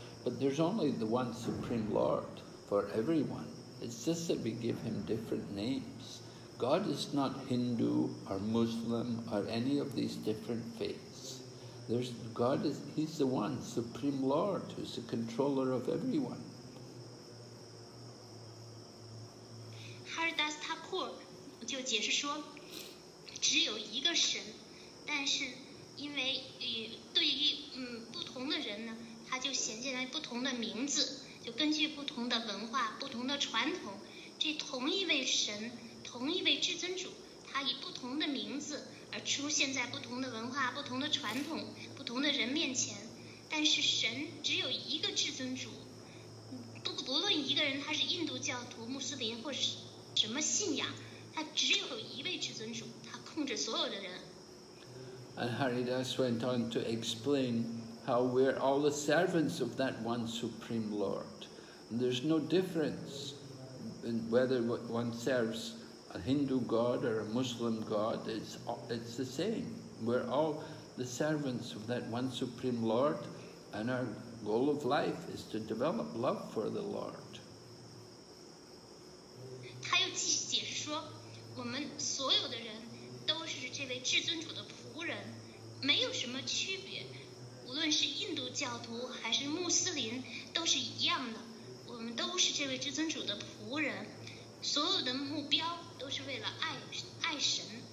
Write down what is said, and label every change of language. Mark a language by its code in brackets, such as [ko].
[en] But there's only the one Supreme Lord for everyone. It's just that we give him different names. God is not Hindu or Muslim or any of these different faiths. He's the one Supreme Lord who's the controller of everyone. [zh] Haridas Thakur 就解释说，只有一个神，但是因为对于不同的人呢，他就显现了不同的名字，就根据不同的文化、不同的传统，这同一位神、同一位至尊主，他以不同的名字而出现在不同的文化、不同的传统、不同的人面前。但是神只有一个至尊主，不论一个人他是印度教徒、穆斯林或是什么信仰，他只有一位至尊主，他控制所有的人。 [en] And Haridas went on to explain how we're all the servants of that one Supreme Lord. And there's no difference in whether one serves a Hindu God or a Muslim God, it's the same. We're all the servants of that one Supreme Lord, and our goal of life is to develop love for the Lord. [zh] 他又解释说，我们所有的人都是这位至尊主的仆人，没有什么区别，无论是印度教徒还是穆斯林都是一样的，我们都是这位至尊主的仆人，所有的目标都是为了爱神。